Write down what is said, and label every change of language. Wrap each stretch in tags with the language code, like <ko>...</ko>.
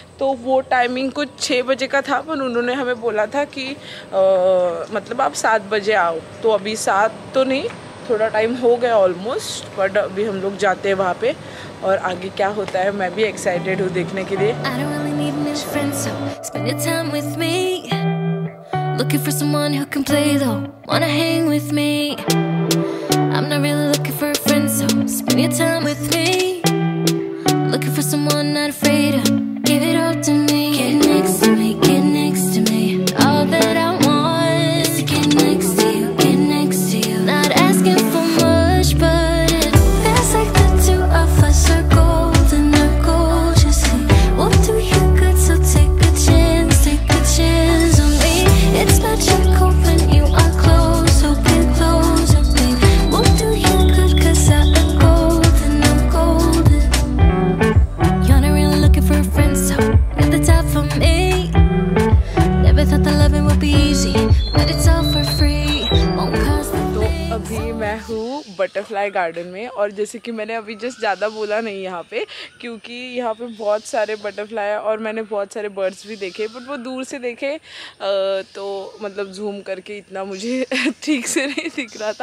<hi>तो वो टाइमिंग कुछ 6 बजे का था, पर उन्होंने हमें बोला था कि मतलब आप 7 बजे आओ। तो अभी 7 तो नहीं, थोड़ा टाइम हो गया ऑलमोस्ट, बट अभी हम लोग जाते हैं वहाँ पे और आगे क्या होता है मैं भी एक्साइटेड हूँ देखने के लिए।</hi> <en>Looking for someone who can play though, wanna hang with me. I'm not really looking for a friend, so spend your time with me. Looking for someone not afraid of, give it all to me. Get next to me, get next to me. All that I want is to get next to you, get next to you. Not asking for much, but it feels like the two of us are golden, or gorgeous. We'll do you good, so take a chance, take a chance. It's magical when you are close, so get closer, babe. Won't do you good, cause I am golden, I'm golden. You're not really looking for a friend, so you're the type for me. Never thought that loving would be easy, but it's all for free. Won't cost the pain.</en> <hi>अभी मैं हूँ butterfly garden में, और जैसे कि मैंने अभी just ज़्यादा बोला नहीं यहाँ पे, क्योंकि यहाँ पे बहुत सारे बटरफ्लाई है और मैंने बहुत सारे बर्ड्स भी देखे, बट वो दूर से देखे तो मतलब जूम करके इतना मुझे ठीक से नहीं दिख रहा था।</hi>